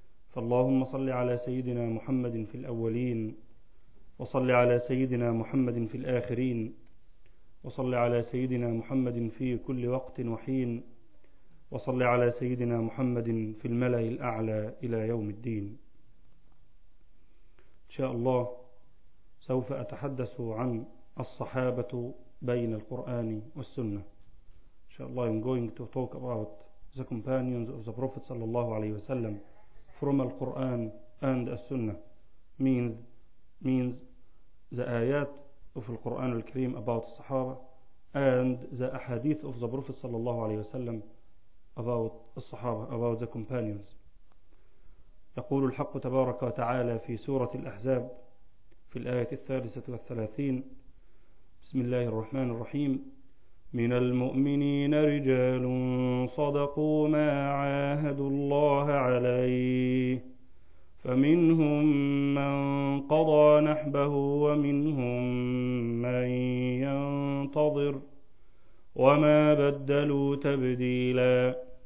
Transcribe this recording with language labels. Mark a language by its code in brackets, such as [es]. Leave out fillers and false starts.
[ar] فاللهم صل على سيدنا محمد في الأولين، وصل على سيدنا محمد في الآخرين، وصل على سيدنا محمد في كل وقت وحين، وصل على سيدنا محمد في الملأ الأعلى إلى يوم الدين. إن شاء الله سوف أتحدث عن الصحابة بين القرآن والسنة. إن شاء الله [en] I'm going to talk about the companions of the Prophet [ar] صلى الله عليه وسلم [en] from the Quran and the Sunnah. Means the آيات of the Quran الكريم about the Sahaba and the Ahadith of the Prophet [ar] صلى الله عليه وسلم [en] about the Sahaba, about the companions. [ar] يقول الحق تبارك وتعالى في سورة الأحزاب في الآية 33: بسم الله الرحمن الرحيم. من المؤمنين رجال صدقوا ما عاهدوا الله عليه، فمنهم من قضى نحبه ومنهم من ينتظر، وما بدلوا تبديلا.